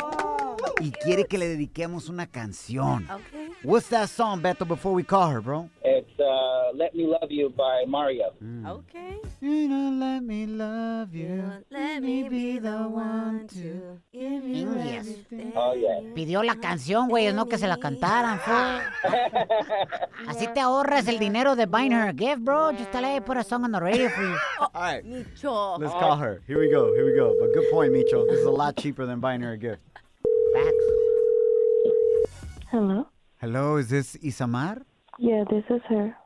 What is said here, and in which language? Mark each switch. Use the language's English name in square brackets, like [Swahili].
[Spanish] Oh, y quiere que le dediquemos una canción. [English] Okay. What's that song, Beto, before we call her, bro? It's Let Me Love You by Mario. Mm. Okay. You know, let me love you. Let me be the one to give you yes. Everything. Oh, yeah. [Spanish] Pidió la canción, güey, no que se la cantaran, fue. Así te ahorras el dinero de [English] buying her a gift, bro. Just tell her to put a song on the radio for you. All right. Micho. Let's call her. Here we go. But good point, Micho. This is a lot cheaper than buying her a gift. Back. Hello? Is this Isamar? Yeah, this is her.